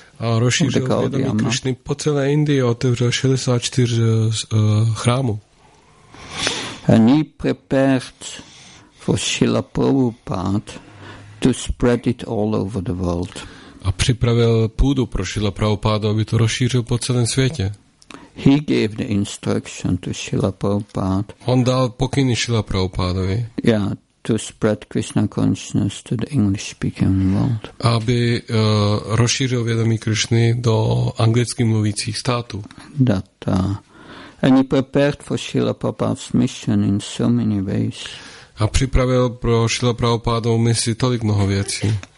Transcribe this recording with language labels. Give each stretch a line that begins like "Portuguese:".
Czech: A rozšířil vědomí Krishny po celé Indii, otevřel 64 chrámů.
English: And he prepared for Srila Prabhupada to spread it all over the world.
Czech: A připravil půdu pro Srila Prabhupada, aby to rozšířil po celém světě.
English: He gave the instruction to Srila Prabhupada.
Czech: On dal pokyny Srila Prabhupadovi.
English: Yeah, to spread Krishna consciousness to the English speaking world.
Czech: Aby rozšířil vědomí Krishny do anglicky mluvících států.
English: That, and he prepared for Srila Prabhupada's mission in so many ways.
Czech: A připravil pro Srila Prabhupadovu misi tolik mnoho věcí.